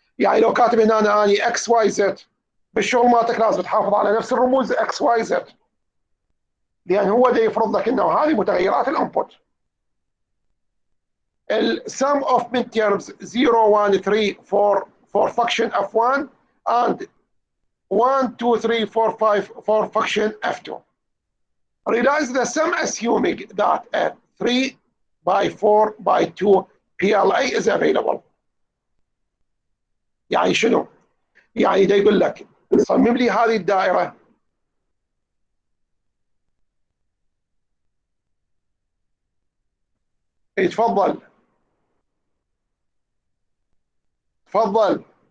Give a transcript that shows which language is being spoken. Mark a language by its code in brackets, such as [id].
[ar] يعني لو كاتب هنا اني اكس واي زد بالشغل مالتك لازم تحافظ على نفس الرموز اكس واي زد، لان هو ده يفرض لك انه هذه متغيرات الانبوت. [en] السم اوف من terms 0 1 3 4 for function f 1 and 1 2 3 4 5 for function f 2. Realize the sum assuming that a 3 by 4 by 2 PLA is available. [ar] يعني شنو؟ يعني ده يقول لك صمم لي هذه الدائرة يتفضل تفضل.